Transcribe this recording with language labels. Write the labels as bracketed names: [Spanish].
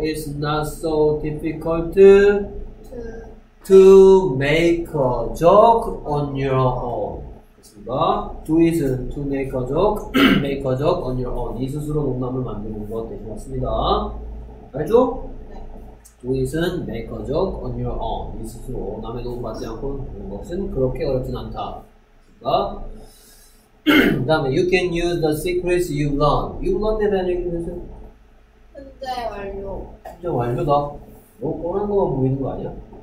[English] It's not so difficult to make a joke on your own. [Korean] 그니까 do it은 [English] to make a joke, make a joke on your own. [Korean] 네 스스로 농담을 만드는 것 대신 왔습니다. 알죠? 네. [English] do it은 make a joke on your own. [Korean] 네 스스로 남의 도움 받지 않고 하는 것은 그렇게 어렵진 않다. 그니까 다음에 [English] you can use the secrets you learn. [Korean] you learn에 대한 얘기 해주세요. 현재 완료. 현재 완료다. 너 꼬란 것만 보이는 거 아니야?